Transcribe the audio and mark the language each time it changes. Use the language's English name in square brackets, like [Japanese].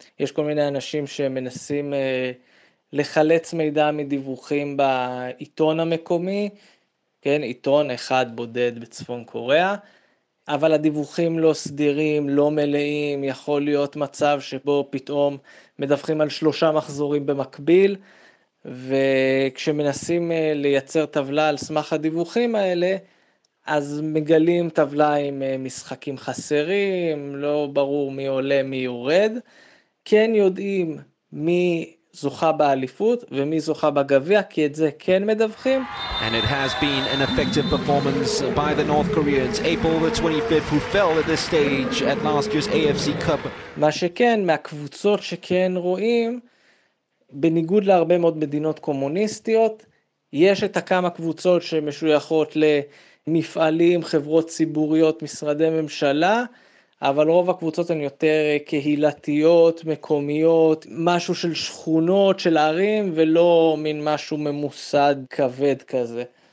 [Hebrew] יש כל מיני אנשים שמנסים לחלץ מידע מדיווחים בעיתון המקומי, כן, עיתון אחד בודד בצפון קוריאה, אבל הדיווחים לא סדירים, לא מלאים, יכול להיות מצב שבו פתאום מדווחים על שלושה מחזורים במקביל, וכשמנסים לייצר טבלה על סמך הדיווחים האלה, אז מגלים טבלה עם משחקים חסרים, לא ברור מי עולה, מי יורד. כן יודעים מי זוכה באליפות ומי זוכה בגביע, כי את זה כן מדווחים. [English] And it has been an effective performance by the North Koreans, April the 25th, who fell at this stage at last year's AFC Cup. [Hebrew] מה שכן, מהקבוצות שכן רואים, בניגוד להרבה מאוד מדינות קומוניסטיות, יש את הכמה קבוצות שמשויכות ל... מפעלים, חברות ציבוריות, משרדי ממשלה, אבל רוב הקבוצות הן יותר קהילתיות, מקומיות, משהו של שכונות, של ערים, ולא מין משהו ממוסד כבד כזה.